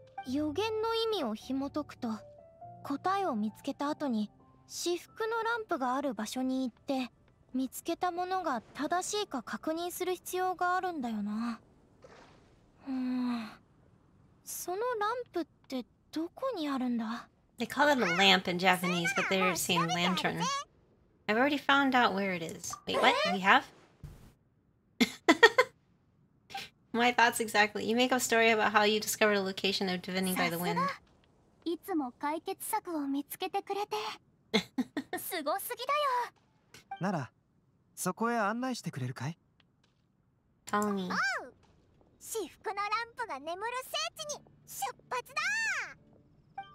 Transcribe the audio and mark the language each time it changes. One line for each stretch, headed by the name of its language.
Japanese: 予言の意味を紐解くと、答えを見つけた後に至福のランプがある場所に行って見つけたものが正しいか確認する必要があるんだよな。そのランプってどこにあるんだ。
English: They call it a lamp in Japanese, but they're saying lantern. I've already found out where it is. Wait, what? We have? My thoughts exactly. You make a story about how you discovered a location of divining by the wind.
Japanese: いつも解決策を見つけてくれて。すごすぎだよ。なら、そこへ案内してくれるかい？
English: Tell me.
Japanese: 至福のランプが眠る聖地に出発だ。